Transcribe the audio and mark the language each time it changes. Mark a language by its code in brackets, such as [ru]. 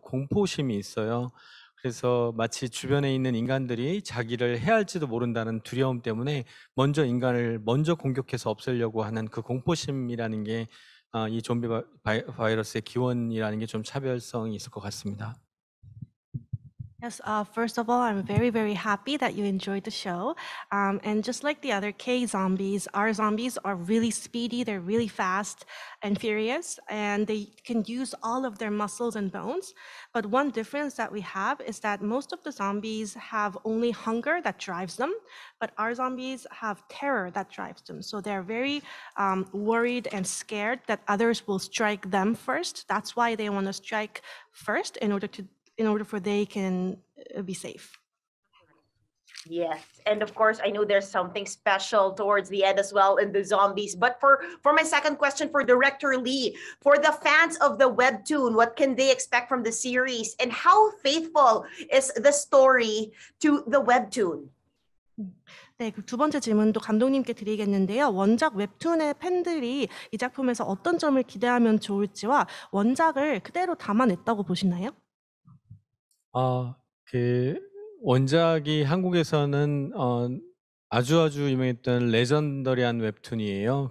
[ko] 공포심이 있어요. 그래서 마치 주변에 있는 인간들이 자기를 해할지도 모른다는 두려움 때문에 먼저 인간을 먼저 공격해서 없애려고 하는 그 공포심이라는 게이 좀비 바이러스의 기원이라는 게좀 차별성이 있을 것 같습니다. [en] Yes, first of all, I'm very, very happy that you enjoyed the show. And just like the other K zombies, our zombies are really speedy, they're really fast and furious, and they can use all of their muscles and bones. But one difference that we have is that most of the zombies have only hunger that drives them, but our zombies have terror that drives them. So they're very worried and scared that others will strike them first. That's why they want to strike first in order for they can be safe. Yes, and of course, I know there's something special towards the end as well in the zombies. But for my second question for Director Lee, for the fans of the webtoon, what can they expect from the series? And how faithful is the story to the webtoon? [ko] 네, 그두 번째 질문도 감독님께 드리겠는데요. 원작 웹툰의 팬들이 이 작품에서 어떤 점을 기대하면 좋을지와 원작을 그대로 담아냈다고 보시나요? 원작이 한국에서는 아주아주 아주 유명했던 레전더리한 웹툰이에요.